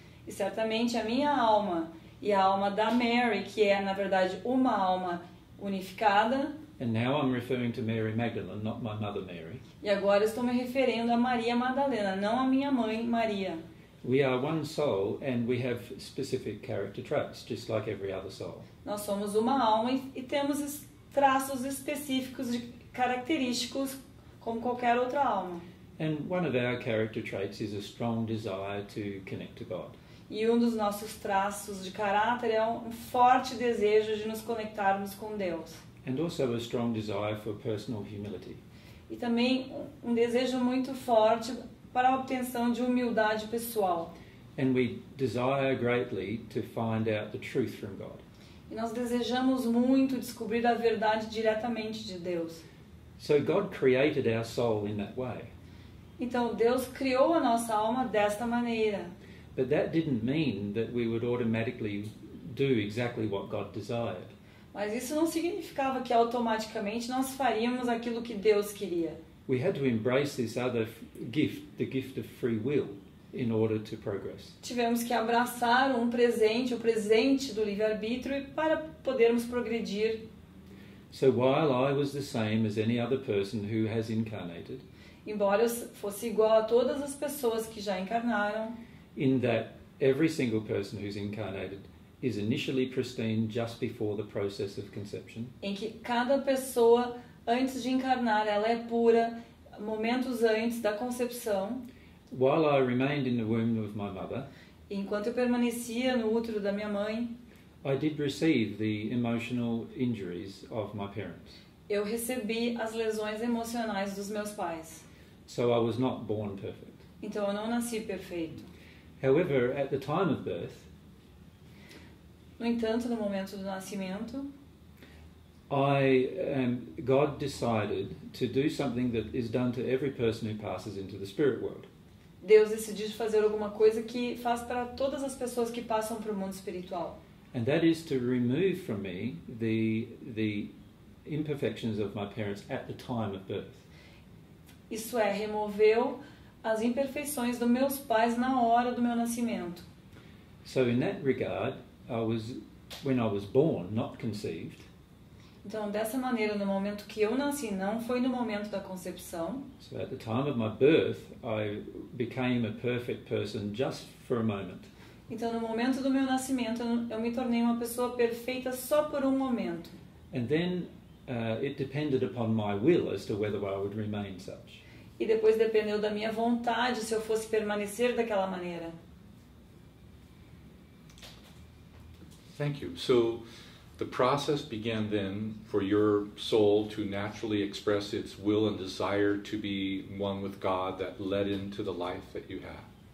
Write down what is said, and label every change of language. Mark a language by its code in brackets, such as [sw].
[pt] E certamente a minha alma e a alma da Mary, que é na verdade uma alma unificada. [en] And now I'm referring to Mary Magdalene, not my mother Mary. [pt] E agora estou me referindo a Maria Madalena, não a minha mãe Maria. [en] We are one soul and we have specific character traits, just like every other soul. [pt] Nós somos uma alma e temos traços específicos de característicos como qualquer outra alma. [en] And one of our character traits is a strong desire to connect to God. [pt] E um dos nossos traços de caráter é um forte desejo de nos conectarmos com Deus. [en] And also a strong desire for personal humility. [pt] E também um desejo muito forte para a obtenção de humildade pessoal. [en] And we desire greatly to find out the truth from God. [pt] E nós desejamos muito descobrir a verdade diretamente de Deus. [en] So God created our soul in that way. [pt] Então Deus criou a nossa alma desta maneira. [en] But that didn't mean that we would automatically do exactly what God desired. [pt] Mas isso não significava que automaticamente nós faríamos aquilo que Deus queria. [en] We had to embrace this other gift, the gift of free will, in order to progress. [pt] Tivemos que abraçar um presente, o presente do livre-arbítrio, para podermos progredir. [en] So while I was the same as any other person who has incarnated, [pt] embora eu fosse igual a todas as pessoas que já encarnaram, [en] in that every single person who's incarnated is initially pristine just before the process of conception. [pt] Em que cada pessoa antes de encarnar ela é pura momentos antes da concepção. [en] While I remained in the womb of my mother, [pt] enquanto eu permanecia no útero da minha mãe, [en] I did receive the emotional injuries of my parents. [pt] Eu recebi as lesões emocionais dos meus pais. [en] So I was not born perfect. [pt] Então eu não nasci perfeito. [en] However, at the time of birth, [pt] no entanto, no momento do nascimento, [en] God decided to do something that is done to every person who passes into the spirit world. [pt] Deus decidiu fazer alguma coisa que faz para todas as pessoas que passam para o mundo espiritual. [en] And that is to remove from me the imperfections of my parents at the time of birth. [pt] Isso é, removeu as imperfeições dos meus pais na hora do meu nascimento. [en] So in that regard, when I was born, not conceived. [pt] Então, dessa maneira, no momento que eu nasci, não foi no momento da concepção. [en] So at the time of my birth, I became a perfect person just for a moment. [pt] Então, no momento do meu nascimento, eu me tornei uma pessoa perfeita só por um momento. [en] And then it depended upon my will as to whether I would remain such. [pt] E depois dependeu da minha vontade se eu fosse permanecer daquela maneira. [en] Thank you. So the process began then for your soul to naturally express its will and desire to be one with God that led into the life that you have.